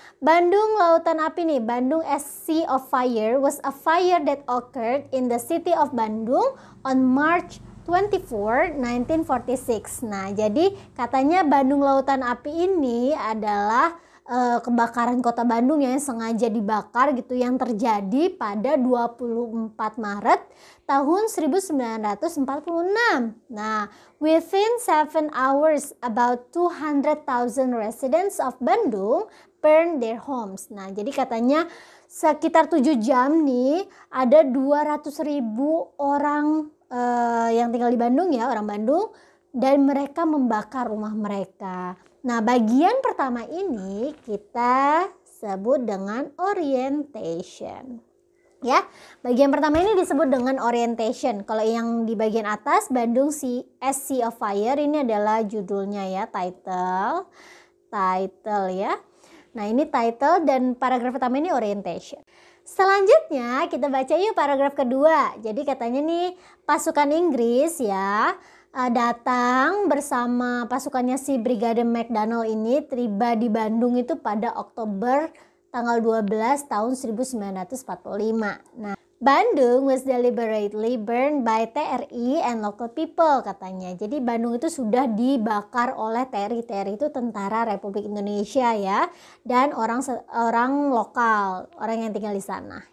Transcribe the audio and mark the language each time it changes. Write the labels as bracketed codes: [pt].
[en] Bandung Lautan Api nih, Bandung as Sea of Fire was a fire that occurred in the city of Bandung on March 24, 1946. [id] Nah, jadi katanya Bandung Lautan Api ini adalah kebakaran kota Bandung yang sengaja dibakar gitu, yang terjadi pada 24 Maret tahun 1946. [en] Nah, within 7 hours about 200,000 residents of Bandung burned their homes. [id] Nah, jadi katanya sekitar 7 jam nih ada 200.000 orang yang tinggal di Bandung ya, orang Bandung, dan mereka membakar rumah mereka. Nah, bagian pertama ini kita sebut dengan orientation. Ya, bagian pertama ini disebut dengan orientation. Kalau yang di bagian atas, Bandung Sea of Fire, ini adalah judulnya ya, title ya. Nah, ini title dan paragraf pertama ini orientation. Selanjutnya, kita baca yuk paragraf kedua. Jadi katanya nih, pasukan Inggris ya, datang bersama pasukannya si Brigade McDonald ini tiba di Bandung itu pada Oktober tanggal 12 tahun 1945. [en] Nah, Bandung was deliberately burned by TRI and local people katanya. [id] Jadi Bandung itu sudah dibakar oleh TRI. TRI itu Tentara Republik Indonesia ya, dan orang-orang lokal, orang yang tinggal di sana.